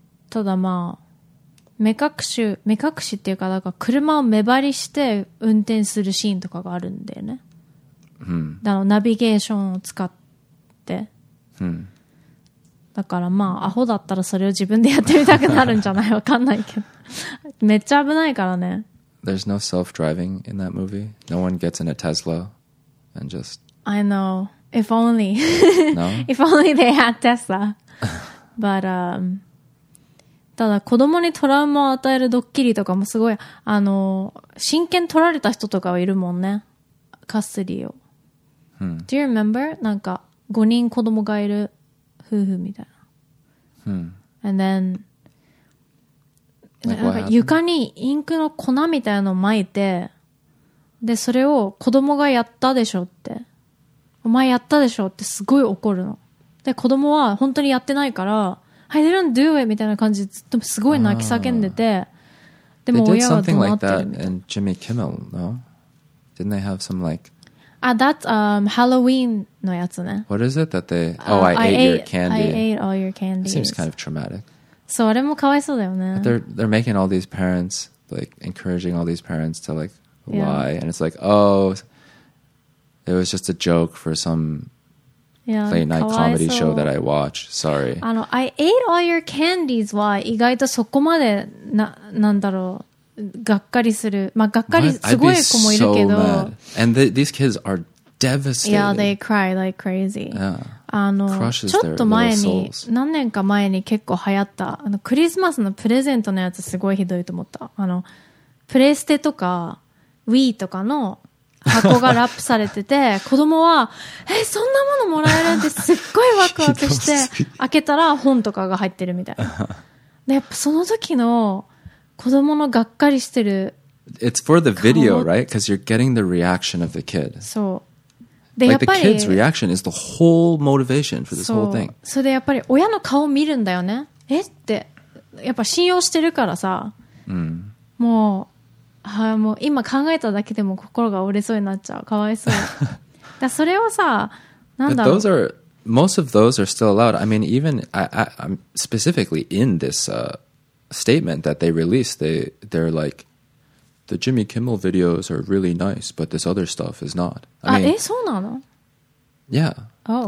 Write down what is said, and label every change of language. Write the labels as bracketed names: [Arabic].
[Japanese] ただまあ目隠しっていうかなんか車を目張りして運転するシーンとかがあるんだよね。うん、のナビゲーションを使って、うん、だからまあアホだったらそれを自分でやってみたくなるんじゃない、わかんないけどめっちゃ危ないからね。 [English] There's no self-driving in that movie. No one gets in a Tesla and just I know. If only. No? If only they had Tesla. But [Japanese] ただ子供にトラウマを与えるドッキリとかもすごい、真剣取られた人とかはいるもんね、カスリーを。 Hmm. [English] Do you remember? [Japanese] なんか5人子供がいる夫婦みたいな。 Hmm. [English] And then like、なんか [Japanese] 床にインクの粉みたいなのを撒いて、でそれを子供がやったでしょって、お前やったでしょってすごい怒るの。で子供は本当にやってないから、 [English] I didn't do it [Japanese] みたいな感じでずっとすごい泣き叫んでて、でも親はどうなってるみたいな。 [English] And Jimmy Kimmel, no? Didn't they have some like... Ah, that's Halloween [Japanese] のやつね。 [English] What is it that they... Oh, I ate your candy. I ate all your candies. Seems kind of traumatic. [Japanese] そう、あれもかわいそうだよね。 [English] They're making all these parents, like, encouraging all these parents to, like, lie.、Yeah. And it's like, oh, it was just a joke for some late night comedy show that I watch. Sorry. I ate all your candies [Japanese] は意外とそこまでなんだろう。がっかりする。まあ、がっかりすごい子もいるけど。 [English] So、And these kids are devastated. Yeah, they cry like crazy. Yeah. [Japanese] ちょっと前に、何年か前に結構流行った、クリスマスのプレゼントのやつすごいひどいと思った。プレステとか、Wii とかの箱がラップされてて、子供は、そんなものもらえるってすっごいワクワクして、開けたら本とかが入ってるみたいな。で、やっぱその時の、子供のがっかりしてる。 [English] It's for the video, right? Because you're getting the reaction of the kid. [Japanese] そう。で、やっぱり。 [English] Like the kid's reaction is the whole motivation for this whole thing. [Japanese] そう。で、やっぱり親の顔見るんだよね。え?って。やっぱ信用してるからさ。うん。もう、はい、もう今考えただけでも心が折れそうになっちゃう。かわいそう。だそれはさ、なんだろう。 [English] But those are, most of those are still allowed. I mean, even, I'm specifically in this, statement that they released, they're like, the Jimmy Kimmel videos are really nice, but this other stuff is not. [Japanese] そうなの? [English] Yeah. Oh.